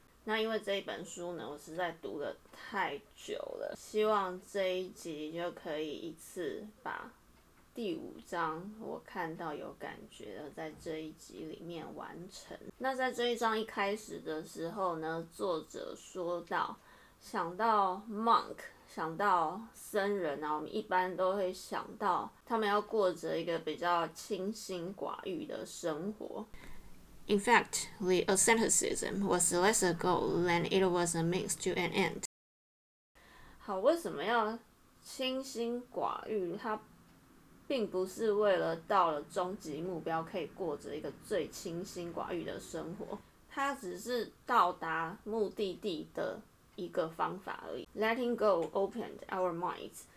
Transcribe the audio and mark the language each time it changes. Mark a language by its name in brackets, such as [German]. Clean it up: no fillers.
[Chinese] 那因为这一本书呢，我实在读得太久了，希望这一集就可以一次把第五章我看到有感觉的在这一集里面完成。那在这一章一开始的时候呢，作者说到，想到 monk， 想到僧人啊，我们一般都会想到他们要过着一个比较清心寡欲的生活。 [English] In fact, the asceticism was less a goal than it was a means to an end. [Chinese] 好，为什么要清心寡欲？它并不是为了到了终极目标可以过着一个最清心寡欲的生活，它只是到达目的地的一个方法而已。 [English] Letting go opened our minds.